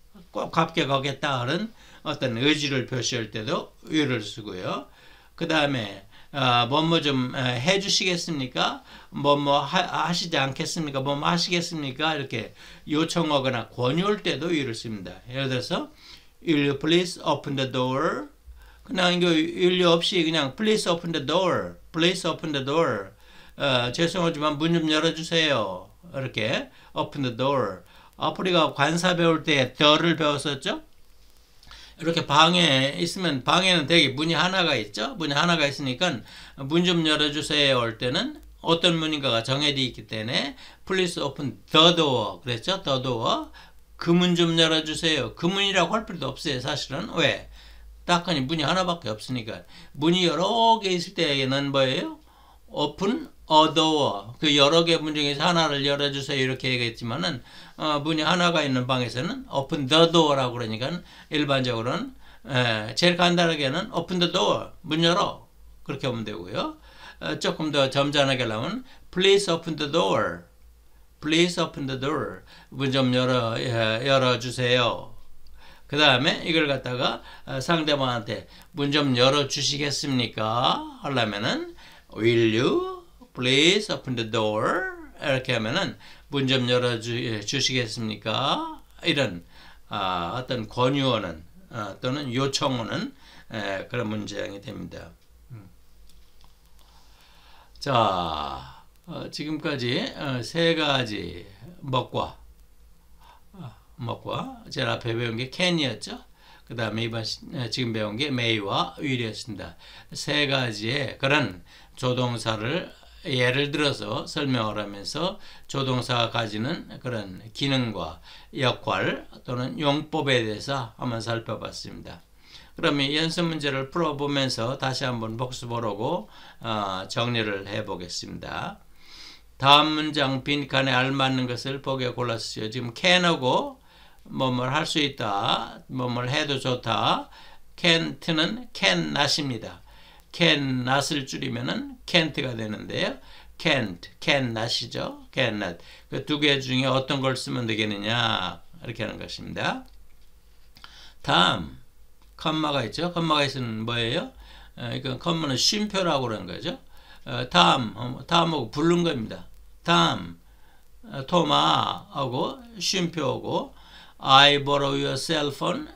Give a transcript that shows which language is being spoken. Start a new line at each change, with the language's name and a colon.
Korean: 꼭 합격하겠다는 어떤 의지를 표시할 때도 will을 쓰고요. 그 다음에 뭐뭐좀 해주시겠습니까? 뭐뭐 하시지 않겠습니까? 뭐뭐 하시겠습니까? 이렇게 요청하거나 권유할 때도 will을 씁니다. 예를 들어서
English: Will you please open the door?
Korean: 그냥 이거 일리 없이 그냥
English: please open the door, please open the door.
Korean: 죄송하지만 문좀 열어주세요.
English: 이렇게 open the door.
Korean: 우리가 관사 배울 때 the를 배웠었죠? 이렇게 방에 있으면 방에는 되게 문이 하나가 있죠? 문이 하나가 있으니까 문좀 열어주세요. 올 때는 어떤 문인가가 정해져 있기 때문에 please open the door. 그랬죠? the door. 그문좀 열어주세요. 그 문이라고 할 필요도 없어요. 사실은 왜? 딱하니 문이 하나밖에 없으니까 문이 여러 개 있을 때에는 뭐예요?
English: Open a door.
Korean: 그 여러 개문 중에서 하나를 열어주세요. 이렇게 얘기했지만은 문이 하나가 있는 방에서는 Open the door라고 그러니까 일반적으로는 제일 간단하게는 Open the door. 문 열어. 그렇게 하면 되고요. 조금 더 점잖게 하려면
English: Please open the door. Please open the door.
Korean: 문좀 열어주세요. 그 다음에 이걸 갖다가 상대방한테 문좀 열어주시겠습니까? 하려면은
English: Will you please open the door?
Korean: 이렇게 하면은 문좀 열어주시겠습니까? 이런 어떤 권유어는 또는 요청어는 그런 문장이 됩니다. 자. 지금까지 세 가지 먹과 제일 앞에 배운 게 캔이었죠. 그 다음에 이번 지금 배운 게 메이와 윌이었습니다. 세 가지의 그런 조동사를 예를 들어서 설명을 하면서 조동사가 가지는 그런 기능과 역할 또는 용법에 대해서 한번 살펴봤습니다. 그러면 연습 문제를 풀어보면서 다시 한번 복습하려고 정리를 해보겠습니다. 다음 문장 빈칸에 알맞는 것을 보게 골랐어요. 지금 can하고 뭐뭘할수 있다, 뭐뭘 해도 좋다. can't는 can not입니다. can not을 줄이면은 can't가 되는데요. can not이죠. can not. 그두개 중에 어떤 걸 쓰면 되겠느냐 이렇게 하는 것입니다. 다음 콤마가 있죠. 콤마가 있으면 뭐예요? 이건 콤마는 쉼표라고 그런 거죠. 다음하고 부른 겁니다. 다음, 토마하고 쉼표하고
English: I borrow your cell phone.